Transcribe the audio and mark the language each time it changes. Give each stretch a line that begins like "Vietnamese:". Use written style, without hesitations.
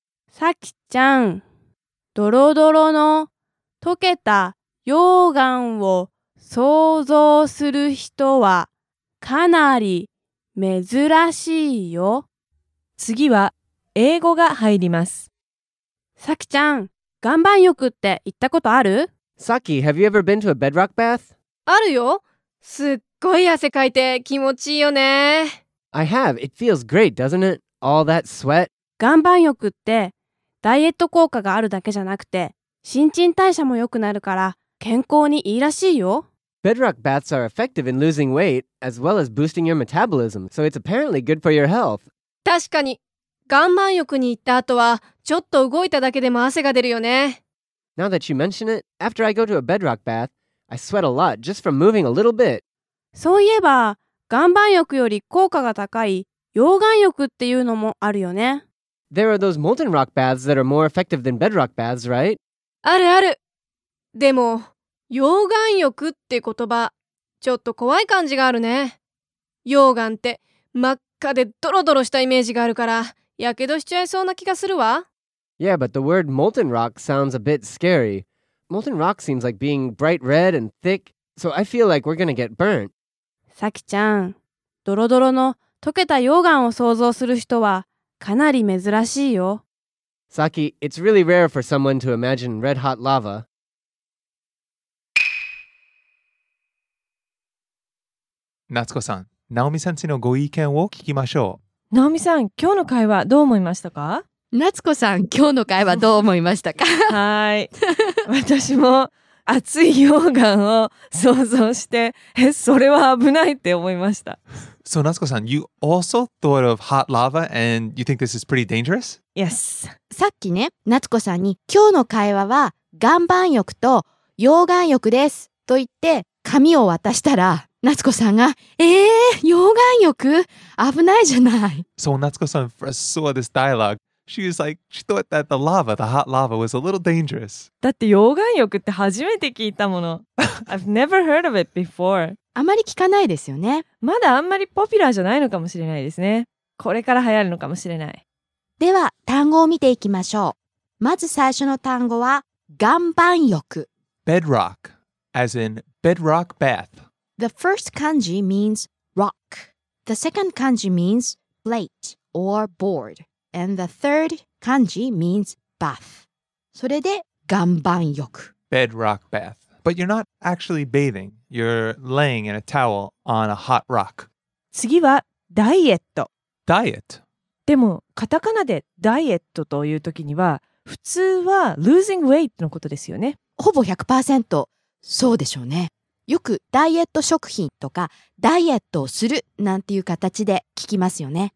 Japanese: さきちゃん、ドロドロの溶けた溶岩を想像する人はかなり珍しいよ。次は英語が入ります。さきちゃん、岩盤浴って行ったことある？
English: さき、have you ever been to a bedrock bath?
Japanese: あるよ。すっごい汗かいて気持ちいいよね。
English: I have. It feels great, doesn't it? All that sweat.
Japanese: 岩盤浴ってダイエット効果があるだけじゃなくて、新陳代謝も良くなるから健康にいいらしいよ。 B-
English: Bedrock baths are effective in losing weight as well as boosting your metabolism, so it's apparently good for your health.
Japanese: 確かに。岩盤浴に行った後はちょっと動いただけでも汗が出るよね。
English: Now that you mention it, after I go to a bedrock bath, I sweat a lot just from moving a little bit.
Japanese: そういえば、岩盤浴より効果が高い溶岩浴っていうのもあるよね。
English: There are those molten rock baths that are more effective than bedrock baths, right?
Japanese: あるある。でも、溶岩浴って言葉、ちょっと怖い感じがあるね。溶岩って真っ赤でドロドロしたイメージがあるから、やけどしちゃいそうな気がするわ。
English: Yeah, but the word molten rock sounds a bit scary. Molten rock seems like being bright red and thick, so I feel like we're gonna get burnt.
Japanese: さきちゃん、ドロドロの溶けた溶岩を想像する人はかなり珍しいよ。
English: Saki, it's really rare for someone to imagine red-hot lava.
Japanese: Natsuko-san, Naomi-sensei のご意見を聞きましょう。 Naomi-san, 今日の会話どう思いましたか？夏子さん、今日の会話どう思いましたか？はい。私も熱い溶岩を想像して、それは危ないって思いました。
English: So, Natsuko-san, you also thought of hot lava and you think this is pretty dangerous? Yes.
Japanese: さっきね、夏子さんに今日の会話は岩盤浴と溶岩浴ですと言って紙を渡したら、夏子さんが、溶岩浴？危ないじゃない。
English: So, Natsuko-san first saw this dialogue. She was like, she thought that the lava, the hot lava was a little dangerous.
Japanese: だって溶岩浴って初めて聞いたもの。
English: I've never heard of it before.
Japanese: あまり聞かないですよね。まだあんまりポピュラーじゃないのかもしれないですね。これから流行るのかもしれない。では単語を見ていきましょう。まず最初の単語は岩盤浴。
English: Bedrock, as in bedrock bath. The first kanji means rock. The second kanji means plate or board. And the third kanji means bath.
Japanese: それで岩盤浴。
English: Bedrock bath. But you're not actually bathing. You're laying in a towel on a hot rock.
Japanese: 次はダイエット。ダイエット。でもカタカナでダイエットというときには普通は
English: losing weight
Japanese: のことですよね。ほぼ 100% そうでしょうね。よくダイエット食品とかダイエットをするなんていう形で聞きますよね。